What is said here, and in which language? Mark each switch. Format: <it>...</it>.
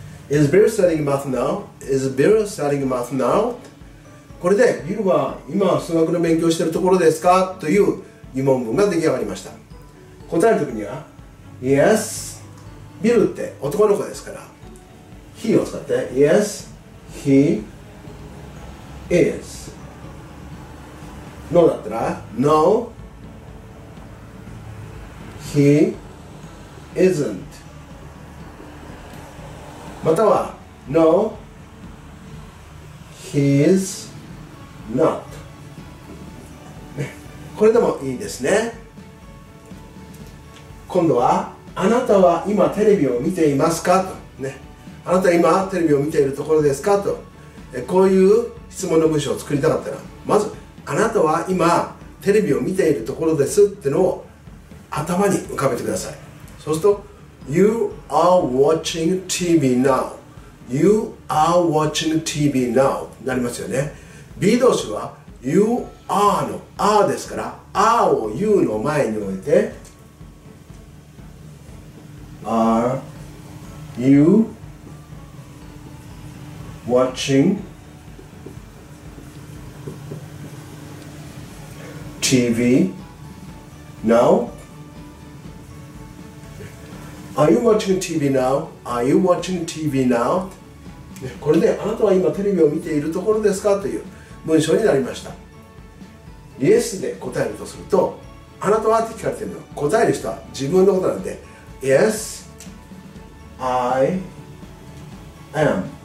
<en>Is Bill studying math now? Is Bill studying math now?</en> <ja>これでビルは今数学の勉強しているところですかという疑問文が出来上がりました。答えるときには Yes. ビルって男の子ですから He を使って YesHe is. No だったら No.</ja> <en>He isn't. または No. He is not.</en> <ja>これでもいいですね。今度はあなたは今テレビを見ていますかと。あなた今テレビを見ているところですかと、こういう質問の文章を作りたかったら、まずあなたは今テレビを見ているところですってのを頭に浮かべてください。</ja> <en>そうすると You are watching TV now. You are watching TV now なりますよね。</en> <ja>B 動詞は You are の are ですから、 are を you の前に置いて Are youWatching TV now?</ja> <en>Are you watching TV now? Are you watching TV now?</en> <ja>これね、あなたは今テレビを見ているところですかという文章になりました。イエスで答えるとすると、あなたはって聞かれているのは、答える人は自分のことなんで、 Yes</ja> <en>I am。</en>